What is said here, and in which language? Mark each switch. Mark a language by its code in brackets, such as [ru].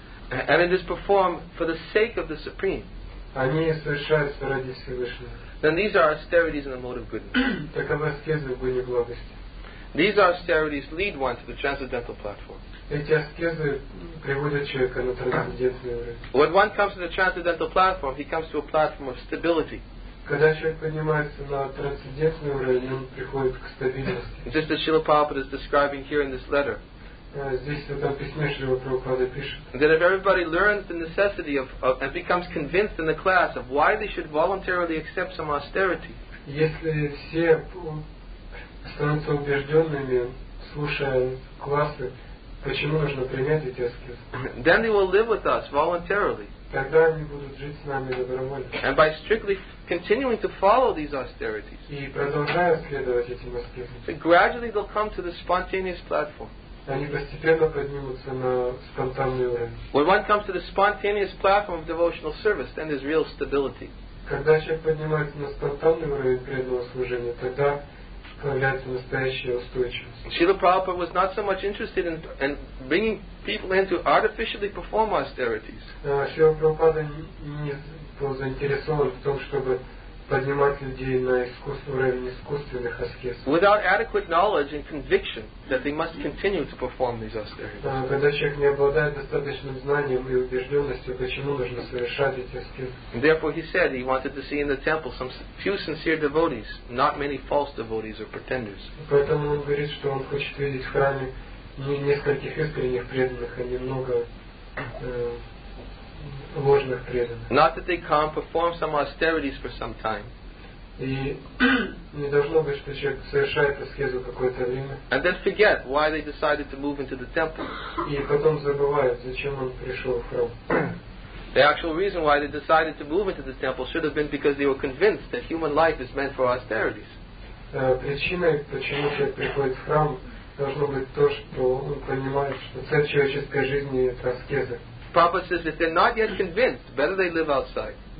[en] And it is performed for the sake of the Supreme. [ru] Они совершаются ради Всевышнего. [en] Then these are austerities in the mode of goodness. [ru] Таковы аскезы в гуне благости. [en] These austerities lead one to the transcendental platform. [ru] Эти аскезы приводят человека на трансцендентный уровень. [en] When one comes to the transcendental platform, he comes to a platform of stability. [ru] Когда человек поднимается на трансцендентный уровень, он приходит к стабильности. [en] Just as Srila Prabhupada is describing here in this letter. That if everybody learns the necessity of and becomes convinced in the class of why they should voluntarily accept some austerity, [ru] если все становятся убежденными, слушая классы, почему нужно принять эти аскезы, [en] then they will live with us voluntarily. [ru] Тогда они будут жить с нами добровольно. [en] And by strictly continuing to follow these austerities, [ru] и продолжая следовать этим аскезам, [en] gradually they'll come to the spontaneous platform. [ru] Они постепенно поднимутся на спонтанный уровень. [en] When one comes to the spontaneous platform of devotional service, then there's real stability. [ru] Когда человек поднимается на спонтанный уровень преданного служения, тогда появляется настоящая устойчивость. [en] Srila Prabhupada was not so much interested in bringing people in to artificially perform austerities. [ru] Srila Prabhupada не был заинтересован в том, чтобы поднимать людей на искусственный уровень искусственных аскез. [en] Without adequate knowledge and conviction that they must continue to perform these austerities. [ru] Когда человек не обладает достаточным знанием и убежденностью, почему нужно совершать эти аскезы. [en] Therefore, he said he wanted to see in the temple some few sincere devotees, not many false devotees or pretenders. [ru] Поэтому он говорит, что он хочет видеть в храме не нескольких искренних преданных, а немного ложных преданных. [en] Not that they come perform some austerities for some time. [ru] И не должно быть, что человек совершает аскезу какое-то время. [en] And then forget why they decided to move into the temple. [ru] И потом забывают, зачем он пришел в храм. [en] The actual reason why they decided to move into the temple should have been because they were convinced that human life is meant for austerities. [ru] Причиной, почему человек приходит в храм, должно быть то, что он понимает, что цель человеческой жизни — это аскеза. [en] Prabhupada says, if they're not yet convinced, better they live outside.